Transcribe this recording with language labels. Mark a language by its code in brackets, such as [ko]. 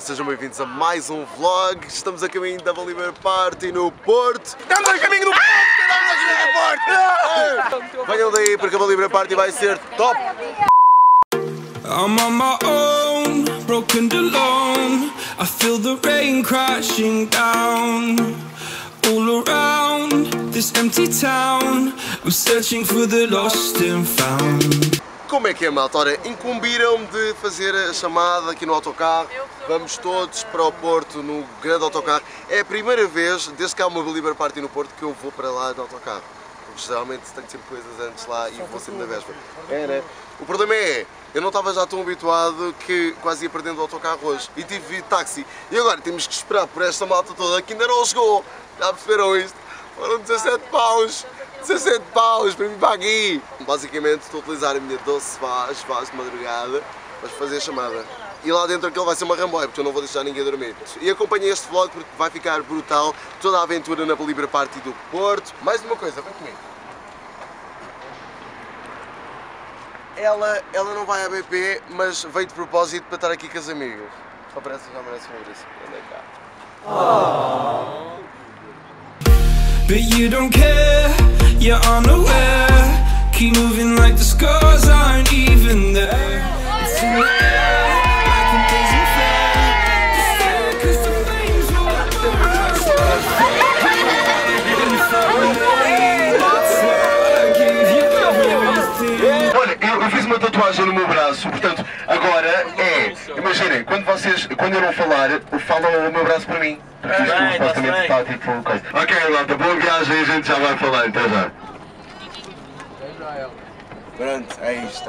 [pt] Sejam bem-vindos a mais um vlog. Estamos a caminho da Bolívar Party no Porto. Estamos a caminho do Porto! Caralho, estamos a caminho do Porto! Venham daí, porque a Bolívar Party vai ser top! [en] I'm on my own, broken and alone. I feel the rain crashing down. All around this empty town. I'm searching for the lost and found. [pt] Como é que é, malta? Ora, incumbiram-me de fazer a chamada aqui no autocarro. Vamos todos para o Porto no grande autocarro. É a primeira vez, desde que há uma Bolívar Party no Porto, que eu vou para lá no autocarro. Porque geralmente tenho sempre coisas antes lá e vou sempre na véspera. É, né? O problema é, eu não estava já tão habituado que quase ia perdendo o autocarro hoje. E tive táxi. E agora temos que esperar por esta malta toda que ainda não chegou. Já perceberam isto? Foram 17 paus. 17 paus para mim para aqui! Basicamente estou a utilizar a minha doce vaz de madrugada para fazer a chamada. E lá dentro aquilo vai ser uma ramboia, porque eu não vou deixar ninguém dormir. E acompanhei este vlog porque vai ficar brutal toda a aventura na Bolívar Party do Porto. Mais uma coisa, vem comigo. Ela não vai à BP, mas veio de propósito para estar aqui com as amigas. Só parece, já merece ver isso. Andei cá. [en] But you don't care, you're unaware. Keep moving like the scars aren't even there. It's in the air, like a daisy fair. The circus of things will let the rest of us fall. People are looking for a name. That's why I give you everything. [pt] Olha, eu fiz uma tatuagem no meu braço, portanto, agora é... Imaginem, quando eu não falar, falam o meu braço para mim. Ok, Lata, boa viagem e a gente já vai falar, até já. Pronto, é isto.